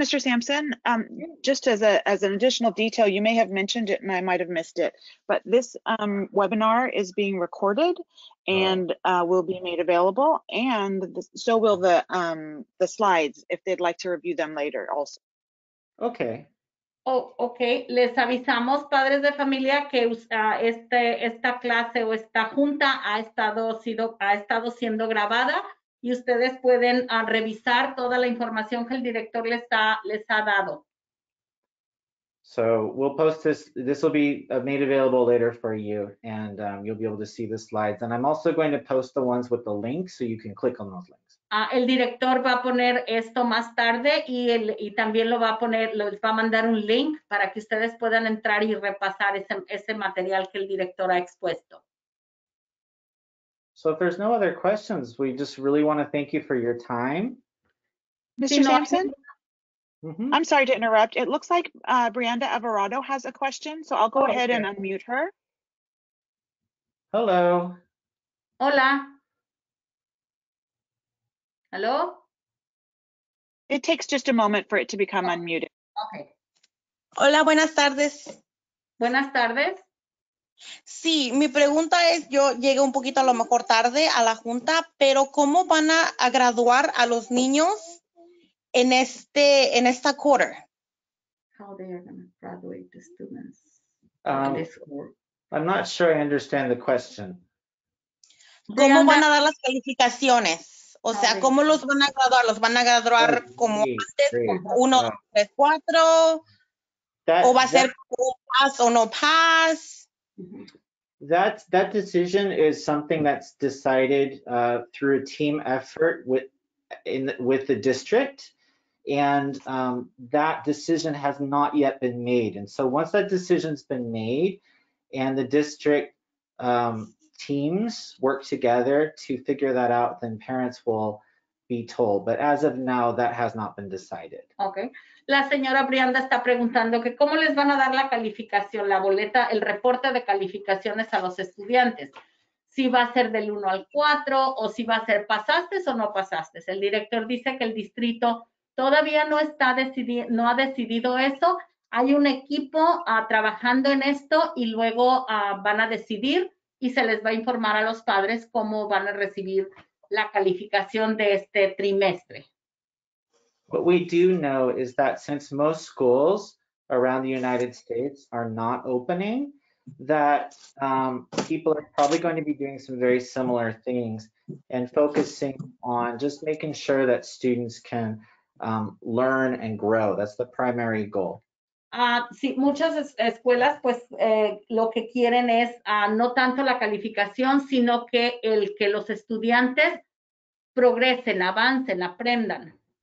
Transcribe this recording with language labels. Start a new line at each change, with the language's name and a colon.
English: Sampson, just as an additional detail, you may have mentioned it and I might have missed it, but this webinar is being recorded and will be made available, and so will the slides if they'd like to review them later also. Okay. Oh, okay.
Spanish: Les avisamos, padres de familia, que esta clase o esta junta ha estado siendo grabada. Y ustedes pueden revisar toda la información que el director les ha dado.
English: So we'll post this. This will be made available later for you, and you'll be able to see the slides. And I'm also going to post the ones with the links, so you can click on those links.
Spanish: El director va a poner esto más tarde y también lo va a poner, les va a mandar un link para que ustedes puedan entrar y repasar ese material que el director ha expuesto.
English: So if there's no other questions, we just really want to thank you for your time. Mr. Sampson? Mm-hmm. I'm sorry to interrupt. It looks like Brianda Alvarado has a question, so I'll go ahead and unmute her. Hello.
Spanish: Hola.
English: Hello? It takes just a moment for it to become unmuted. Okay.
Spanish: Hola, buenas tardes. Buenas tardes. Sí, mi pregunta es, yo llegué un poquito a lo mejor tarde a la junta, pero ¿cómo van a graduar a los niños en esta quarter?
English: How they are going to graduate the students in this quarter. I'm not sure I understand the question.
Spanish: ¿Cómo van a dar las calificaciones O sea, ¿cómo los van a graduar? ¿Los van a graduar como antes, uno, dos, tres, cuatro? ¿O va a ser un pass o no pass?
English: That decision is something that's decided through a team effort with the district. And that decision has not yet been made. And so once that decision's been made and the district teams work together to figure that out, then parents will be told. But as of now, that has not been decided. Okay.
Spanish: La señora Brianda está preguntando que cómo les van a dar la calificación, la boleta, el reporte de calificaciones a los estudiantes. Si va a ser del 1 al 4 o si va a ser pasaste o no pasaste. El director dice que el distrito todavía no está no ha decidido eso. Hay un equipo trabajando en esto y luego van a decidir y se les va a informar a los padres cómo van a recibir la calificación de este trimestre.
English: What we do know is that since most schools around the United States are not opening, that people are probably going to be doing some very similar things and focusing on just making sure that students can learn and grow. That's the primary goal.
Spanish: Sí, muchas escuelas, pues lo que quieren es no tanto la calificación, sino que el que los estudiantes progresen, avancen, aprendan.